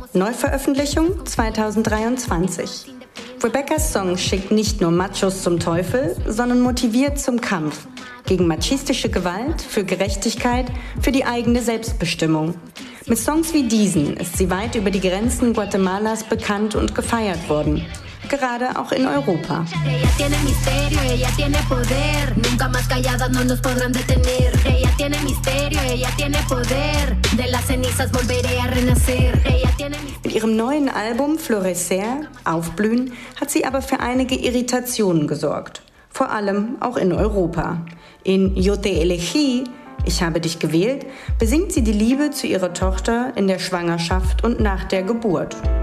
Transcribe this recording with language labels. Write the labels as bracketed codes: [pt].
[de] Neuveröffentlichung 2023. Rebeccas Song schickt nicht nur Machos zum Teufel, sondern motiviert zum Kampf. Gegen machistische Gewalt, für Gerechtigkeit, für die eigene Selbstbestimmung. Mit Songs wie diesen ist sie weit über die Grenzen Guatemalas bekannt und gefeiert worden. Gerade auch in Europa. [es] Ella tiene misterio, ella tiene poder. Nunca más calladas no nos podrán detener. Ella tiene misterio, ella tiene poder. De las cenizas volveré a renacer. [de] Mit ihrem neuen Album Florecer, Aufblühen, hat sie aber für einige Irritationen gesorgt. Vor allem auch in Europa. In Yo te elegí, ich habe dich gewählt, besingt sie die Liebe zu ihrer Tochter in der Schwangerschaft und nach der Geburt.